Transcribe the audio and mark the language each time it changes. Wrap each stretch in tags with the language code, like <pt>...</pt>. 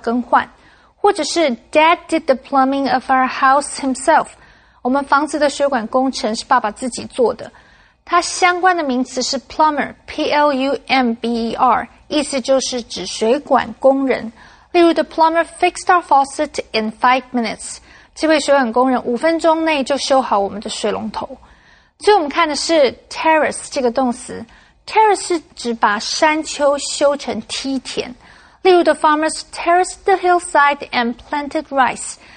<zh>这栋建筑的水管配管需要更换，或者是</zh> <en>Dad did the plumbing of our house himself.</en> <zh>我们房子的水管工程是爸爸自己做的。它相关的名词是 plumber, P-L-U-M-B-E-R, 意思就是指水管工人。例如</zh> <en>the plumber fixed our faucet in 5 minutes.</en> <zh>这位水管工人5分钟内就修好我们的水龙头。最后我们看的是 terrace 这个动词。 Terrace 是指把山丘修成梯田。例如</zh> <en>the farmers terraced the hillside and planted rice.</en>